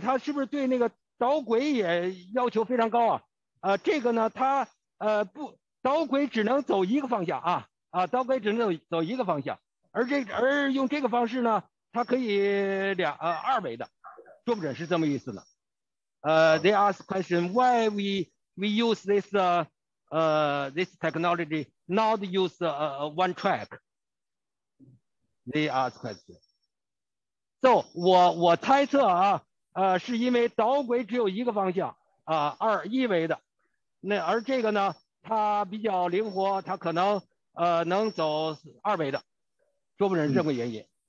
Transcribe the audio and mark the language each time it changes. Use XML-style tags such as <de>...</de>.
<zh>它是不是对那个导轨也要求非常高啊？这个呢，它不，导轨只能走一个方向啊啊，导轨只能走一个方向，而用这个方式呢，它可以二维的，说不准是这么意思呢。</zh> <en>They ask question why we use this technology not use one track。 They ask question.</en> <zh>So 我猜测啊，是因为导轨只有一个方向啊，一维的，那而这个呢，它比较灵活，它可能能走二维的，说不准是这个原因。</zh>